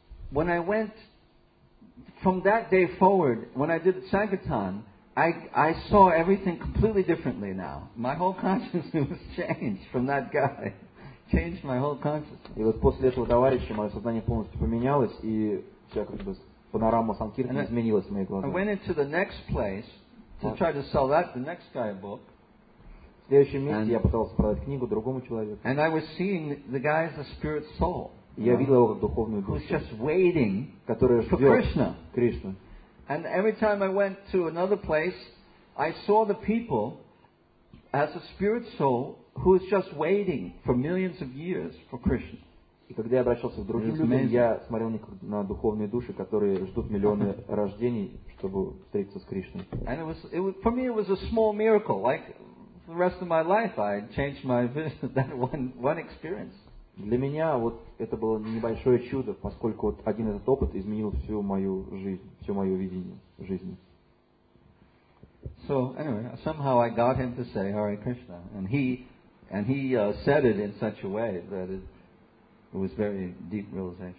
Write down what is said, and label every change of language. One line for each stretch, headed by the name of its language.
English: When I went from that day forward, when I did the Sankirtan, I saw everything completely differently now. My whole consciousness changed from that guy. Changed my whole consciousness.
Russian: И вот после этого товарища мое сознание полностью поменялось, и вся как бы панорама Санкиртаны изменилась в моих глазах.
English: I went into the next place to try to sell that, the next guy book.
Russian: В следующем месте я пытался продать книгу другому человеку.
English: And I was seeing the guy as a spirit soul.
Russian: Я видел его как духовную душу.
English: Who's just waiting for Krishna.
Russian: Кришна.
English: And every time I went to another place, I saw the people as a spirit soul who is just waiting for millions of years for Krishna.
Russian: И когда я обращался к другим людям, я смотрел на духовные души, которые ждут миллионы рождений, чтобы встретиться с Кришной.
English: And it was for me, it was a small miracle. Like for the rest of my life, I changed my vision of that one experience.
Russian: Для меня вот это было небольшое чудо, поскольку вот один этот опыт изменил всю мою жизнь, все мое видение жизни.
English: So anyway, somehow I got him to say Hare Krishna, and he said it in such a way that it was very deep realization.